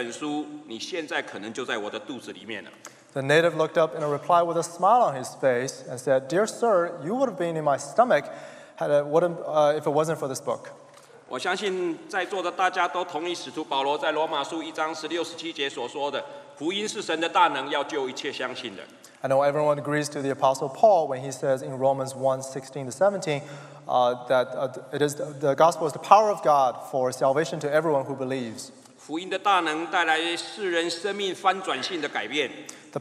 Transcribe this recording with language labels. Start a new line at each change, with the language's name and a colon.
Chinese: 那这个土著他抬起头来，微笑就回答这个人类学家说：“先生，如果不是因为这本书，你现在可能就在我的肚子里面了。” The
English: native looked up in a reply with a smile on his face and said, "Dear sir, you would have been in my stomach if it wasn't for this book."
Chinese: 我相信在座的大家都同意使徒保罗在罗马书1:16-17所说的，福音是神的大能，要救一切相信的。I
English: know everyone agrees to the Apostle Paul when he says in Romans 1:16-17, the gospel is the power of God for salvation to everyone who believes.
Chinese: 福音的大能带来世人生命翻转性的改变。The